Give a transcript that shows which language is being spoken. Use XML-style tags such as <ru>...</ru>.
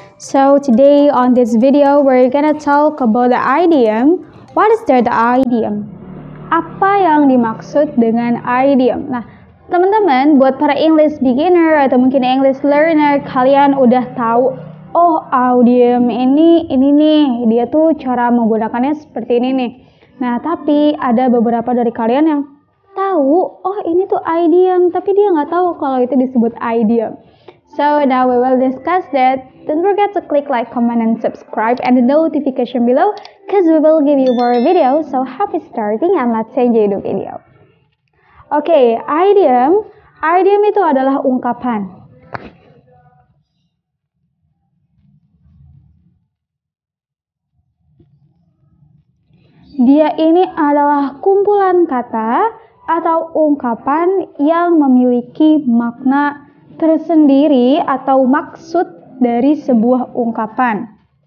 <en>So today on this video we're gonna talk about the idiom. What is that idiom?</en> <id>Apa yang dimaksud dengan idiom? Nah, teman-teman, buat para English beginner atau mungkin English learner, kalian udah tahu, oh, idiom ini nih, dia tuh cara menggunakannya seperti ini nih. Nah, tapi ada beberapa dari kalian yang tahu, oh, ini tuh idiom, tapi dia nggak tahu kalau itu disebut idiom.</id> <en>So, now we will discuss that. Don't forget to click like, comment, and subscribe, and the notification below, because we will give you more video. So, happy starting, and let's enjoy the video.</en> <id>Oke, okay, idiom. Idiom itu adalah ungkapan. Dia ini adalah kumpulan kata atau ungkapan yang memiliki makna tersendiri atau maksud dari sebuah ungkapan.</id>